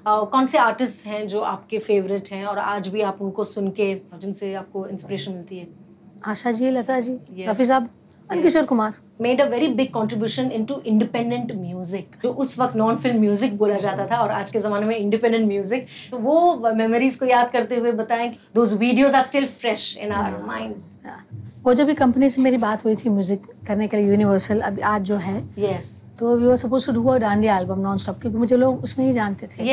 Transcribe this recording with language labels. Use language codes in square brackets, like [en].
[ur] کون سے آرٹسٹ ہیں جو آپ کے فیوریٹ ہیں اور آج بھی آپ ان کو سن کے جن سے آپ کو انسپریشن ملتی ہے؟ آشا جی, لتا جی, رفی صاحب, Kishore Kumar. [en] Made a very big contribution into independent music. [ur] جو اس وقت نان فلم میوزک بولا جاتا تھا اور آج کے زمانے میں انڈیپینڈنٹ میوزک, تو وہ میموریز کو یاد کرتے ہوئے بتائیں کہ [en] Those videos are still fresh in our minds. [ur] وہ جب بھی کمپنی سے میری بات ہوئی تھی میوزک کرنے کے لیے یونیورسل, اب آج جو ہے, [en] yes, تو we were supposed to do a dandiya album non stop, [ur] کیونکہ مجھے لوگ اس میں ہی جانتے تھے,